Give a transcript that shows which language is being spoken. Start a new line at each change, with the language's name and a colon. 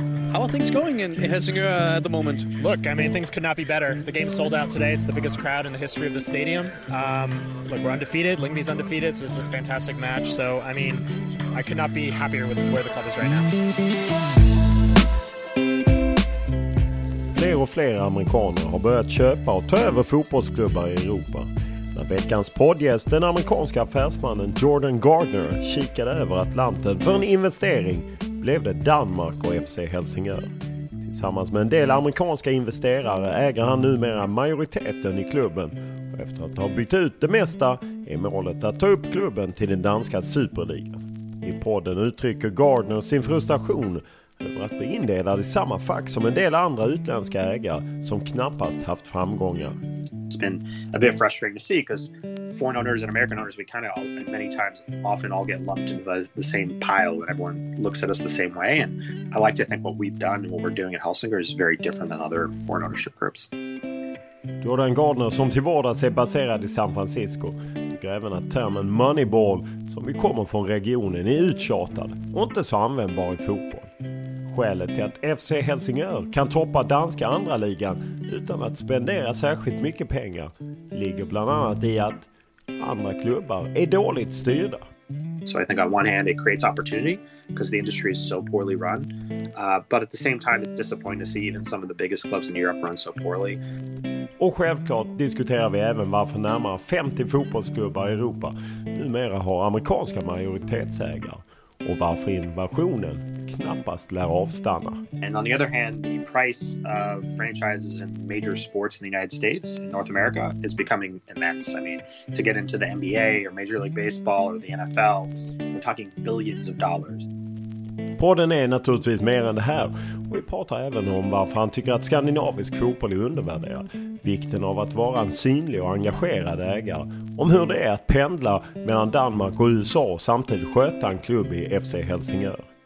English: How are things going in Helsingør at the moment? Look, I mean, things could not be better. The game sold out today. It's the biggest crowd in the history of the stadium. Look, we're undefeated. Lyngby's undefeated. So this is a fantastic match. So, I mean, I could not be happier with where the club is right now.
Swedish: Fler och fler amerikaner har börjat köpa och ta över fotbollsklubbar i Europa. När veckans poddgäst, den amerikanska affärsmannen Jordan Gardner, kikade över Atlanten för en investering blev det Danmark och FC Helsingør. Tillsammans med en del amerikanska investerare äger han numera majoriteten i klubben. Och efter att ha bytt ut det mesta är målet att ta upp klubben till den danska superligan. I podden uttrycker Gardner sin frustration över att bli indelad i samma fack som en del andra utländska ägare som knappast haft framgångar.
English: It's been a bit frustrating to see because foreign owners and American owners, we kind of all, many times, often all get lumped into the same pile and everyone looks at us the same way. And I like to think what we've done and what we're doing at Helsingør is very different than other foreign ownership groups.
Swedish: Jordan Gardner, som till vardags är baserad i San Francisco, tycker även att termen Moneyball, som vi kommer från regionen, är uttjatad och inte så användbar i fotboll. Skälet till att FC Helsingør kan toppa danska andra ligan utan att spendera särskilt mycket pengar ligger bland annat i att andra klubbar är dåligt styrda.
English: So I think on one hand it creates opportunity because the industry is so poorly run. But at the same time it's disappointing to see even some of the biggest clubs in Europe run so poorly.
Swedish: Och självklart diskuterar vi även varför närmare 50 fotbollsklubbar i Europa numera har amerikanska majoritetsägare. Och varför invasionen knappast lär avstanna.
English: And on the other hand, the price of franchises and major sports in the United States and North America is becoming immense. I mean, to get into the NBA or Major League Baseball or the NFL, we're talking billions of dollars.
Swedish: Podden är naturligtvis mer än det här. Och vi pratar även om varför han tycker att skandinavisk fotboll är undervärderad. Vikten av att vara en synlig och engagerad ägare. Om hur det är att pendla mellan Danmark och USA och samtidigt sköta en klubb i FC Helsingør.